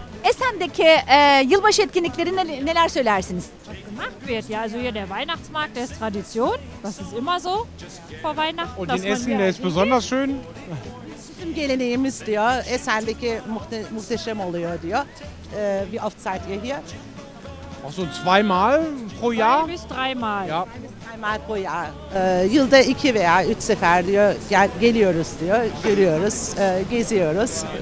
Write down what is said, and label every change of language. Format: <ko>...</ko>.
<tr>Essen'deki yılbaşı etkinlikleri neler söylersiniz?</tr> <de>Was gemacht wird, ja, also hier der Weihnachtsmarkt, der ist Tradition. Das ist immer so vor Weihnachten. Und in Essen, der ist besonders schön.</de> <tr>Bizim geleneğimiz diyor, Essen'deki muhteşem oluyor diyor.</tr> <de>Wie oft seid ihr hier? Ach so, zweimal pro Jahr? Zwei bis dreimal. Ja. Zweimal pro Jahr.</de> <tr>Yılda iki veya üç sefer diyor, geliyoruz diyor, görüyoruz, geziyoruz.</tr>